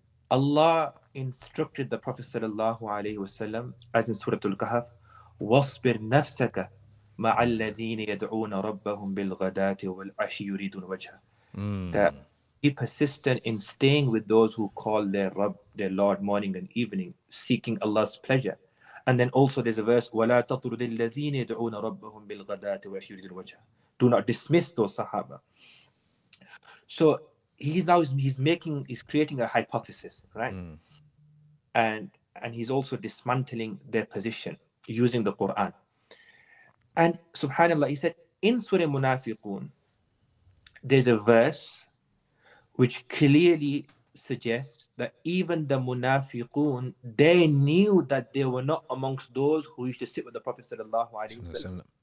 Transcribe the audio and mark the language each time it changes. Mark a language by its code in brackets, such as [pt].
[en] Allah instructed the Prophet sallallahu alayhi wasallam, as in Surah Al-Kahf, [ar] وَاصْبِرْ نَفْسَكَ مَعَ الَّذِينَ يَدْعُونَ رَبَّهُمْ بِالْغَدَاتِ وَالْعَشِي يُرِيدُونَ وَجْهَ. [en] Be persistent in staying with those who call their Rabb, their Lord, morning and evening, seeking Allah's pleasure. And then also there's a verse, [ar] وَلَا تَطْرُدِ الَّذِينَ يَدْعُونَ رَبَّهُمْ بِالْغَدَاتِ وَالْعَشِي يُرِيدُونَ وَجْهَ. [en] Do not dismiss those Sahaba. So he's creating a hypothesis, right? And he's also dismantling their position using the Quran. And subhanAllah, he said, in Surah Munafiqeen, there's a verse which clearly suggests that even the Munafiqeen, they knew that they were not amongst those who used to sit with the Prophet sallallahu alayhi wa sallam.